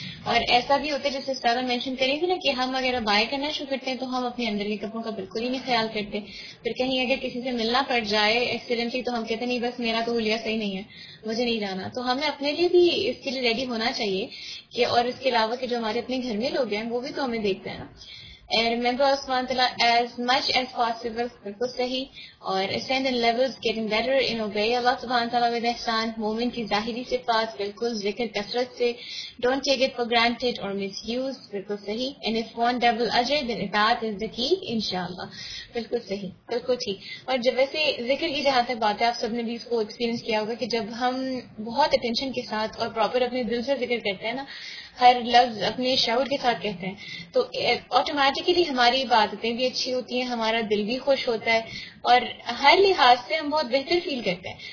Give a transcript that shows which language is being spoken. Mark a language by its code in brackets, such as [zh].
[ur] اور ایسا بھی ہوتا ہے جیسے سارا مینشن کریں گے نا کہ ہم اگر بائے کرنا شروع کرتے ہیں تو ہم اپنے اندر کے کپڑوں کا بالکل ہی نہیں خیال کرتے، پھر کہیں اگر کسی سے ملنا پڑ جائے ایکسیڈنٹلی تو ہم کہتے ہیں نہیں بس میرا تو حلیہ صحیح نہیں ہے، مجھے نہیں جانا. تو ہمیں اپنے لیے بھی اس کے لیے ریڈی ہونا چاہیے کہ اور اس کے علاوہ کے جو ہمارے اپنے گھر میں لوگ ہیں وہ بھی تو ہمیں دیکھتے ہیں نا. [en] Remember Usman Tala as much as possible, [ur] بالکل صحیح. اور [en] ascend in levels, getting better in obey Allah Subhanahu Tala with احسان. [ur] مومن کی ظاہری صفات، بالکل. ذکر کثرت سے، [en] don't take it for granted or misuse, [ur] بالکل صحیح. [en] And if one double ajr, then itaat is the key, inshallah. [ur] بالکل صحیح، بالکل ٹھیک. اور جب ویسے ذکر کی جہاں تک بات ہے، آپ سب نے بھی اس کو ایکسپیرینس کیا ہوگا کہ جب ہم بہت اٹینشن کے ساتھ اور پراپر اپنے دل سے ذکر کرتے ہیں نا ہر لفظ اپنے شعور کے ساتھ کہتے ہیں تو آٹومیٹکلی ہماری عبادتیں بھی اچھی ہوتی ہیں, ہمارا دل بھی خوش ہوتا ہے اور ہر لحاظ سے ہم بہت بہتر فیل کرتے ہیں.